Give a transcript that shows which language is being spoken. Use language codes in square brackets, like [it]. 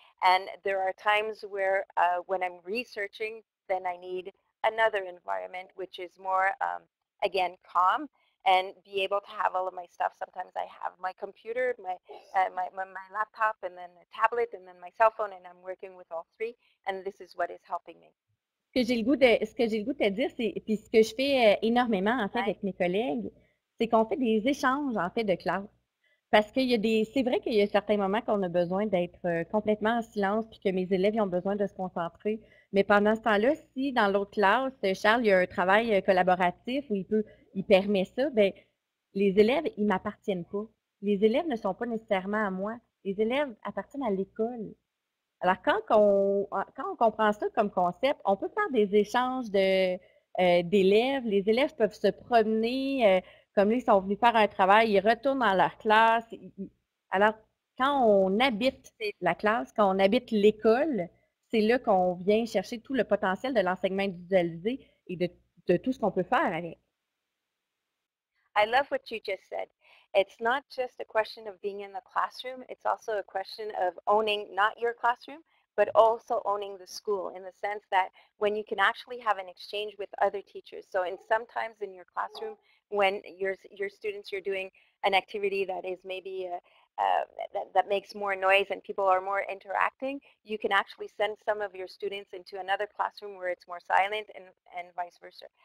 [en] And there are times where when I'm researching, then I need another environment, which is more, again, calm and be able to have all of my stuff. Sometimes I have my computer, my laptop, and then a tablet, and then my cell phone, and I'm working with all three, and this is what is helping me. [fr] Ce que j'ai le goût de te dire, puis ce que je fais énormément, en fait, avec mes collègues, c'est qu'on fait des échanges, en fait, de classe. Parce qu'il y a c'est vrai qu'il y a certains moments qu'on a besoin d'être complètement en silence, puis que mes élèves, ils ont besoin de se concentrer. Mais pendant ce temps-là, si dans l'autre classe, Charles, il y a un travail collaboratif où il permet ça, bien, les élèves, ils m'appartiennent pas. Les élèves ne sont pas nécessairement à moi. Les élèves appartiennent à l'école. Alors, quand on comprend ça comme concept, on peut faire des échanges d'élèves. Les élèves peuvent se promener, comme là, ils sont venus faire un travail, ils retournent dans leur classe. Alors, quand on habite la classe, quand on habite l'école, c'est là qu'on vient chercher tout le potentiel de l'enseignement individualisé et de tout ce qu'on peut faire avec. [en] I love what you just said. It's not just a question of being in the classroom, it's also a question of owning not your classroom, but also owning the school in the sense that when you can actually have an exchange with other teachers. So in sometimes in your classroom, when your students are doing an activity that is maybe that makes more noise and people are more interacting, you can actually send some of your students into another classroom where it's more silent and vice versa.